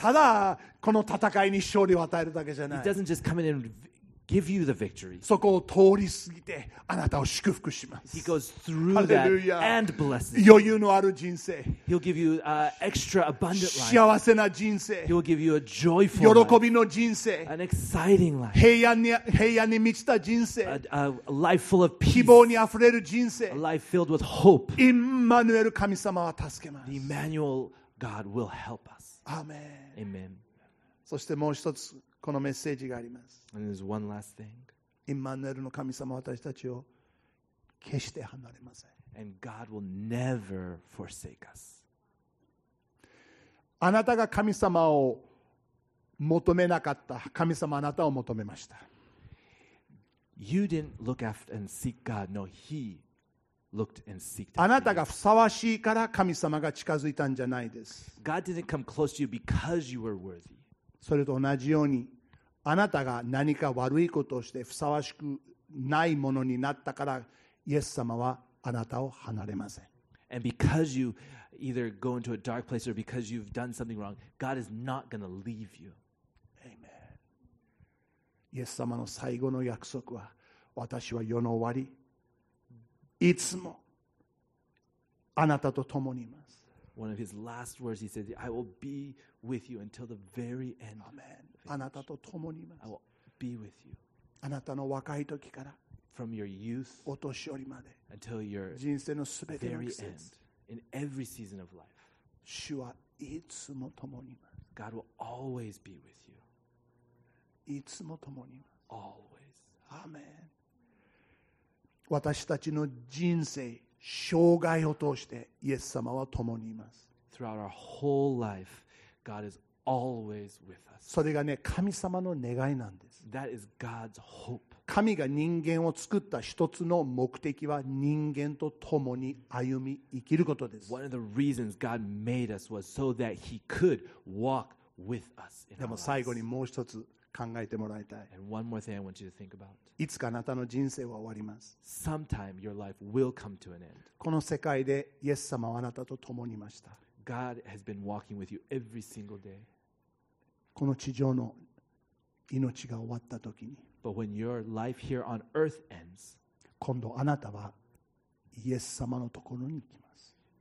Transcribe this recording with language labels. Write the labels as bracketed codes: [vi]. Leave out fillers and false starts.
[ja] ただこの戦いに勝利を与えるだけじゃない。 [en] He doesn't just come in and give you the victory. [ja] そこを通り過ぎてあなたを祝福します。 [en] He goes through that and blesses. [ja] 余裕のある人生。 [en] He'll give you an extra abundant life. [ja] 幸せな人生。 [en] He'll give you a joyful life. [ja] 喜びの人生。 [en] An exciting life. [ja] 平安に満ちた人生。 [en] A life full of peace. [ja] 希望にあふれる人生。 [en] A life filled with hope. [ja] イマヌエル神様は助けます。 [en] The Emmanuel God will help us. Amen. Amen. [ja] そしてもう一つ。このメッセージがあります。 [en] And there's one last thing. [ja] イマヌエルの神様は私たちを決して離れません。 [en] And God will never forsake us. [ja] あなたが神様を求めなかった。神様あなたを求めました。 [en] You didn't look after and seek God. No, He looked and seeked. [ja] あなたがふさわしいから神様が近づいたんじゃないです。 [en] God didn't come close to you because you were worthy. [ja] それと同じようにあなたが何か悪いことをしてふさわしくないものになったからイエス様はあなたを離れません。 [en] And because you either go into a dark place or because you've done something wrong, God is not going to leave you. Amen. [ja] イエス様の最後の約束は私は世の終わりいつもあなたと共にいます。 [en] One of his last words, he said, I will be with you until the very end. [ja] Amen. あなたと共にいます。 [en] I will be with you. [ja] あなたの若い時から [en] from your youth [ja] お年寄りまで [en] until your [ja] 人生の全ての [en] very end in every season of life. [ja] 主はいつも共にいます。 [en] God will always be with you. [ja] いつも共にいます。 [en] Always. Amen. [ja] 私たちの人生生涯を通してイエス様は共にいます。 [en] Throughout our whole life, God is always with us. [ja] それがね、神様の願いなんです。 [en] That is God's hope. [ja] 神が人間を作った一つの目的は人間と共に歩み生きることです。 [en] One of the reasons God made us was so that He could walk with us in our lives. [ja] でも最後にもう一つ考えてもらいたい。 [en] And one more thing I want you to think about. [ja] いつかあなたの人生は終わります。 [en] Sometime your life will come to an end. [ja] この世界でイエス様はあなたと共にいました。 [en] God has been walking with you every single day. [ja] この地上の命が終わったときに。 [en] But when your life here on earth ends, [ja] 今度あなたはイエス様のところに行きます。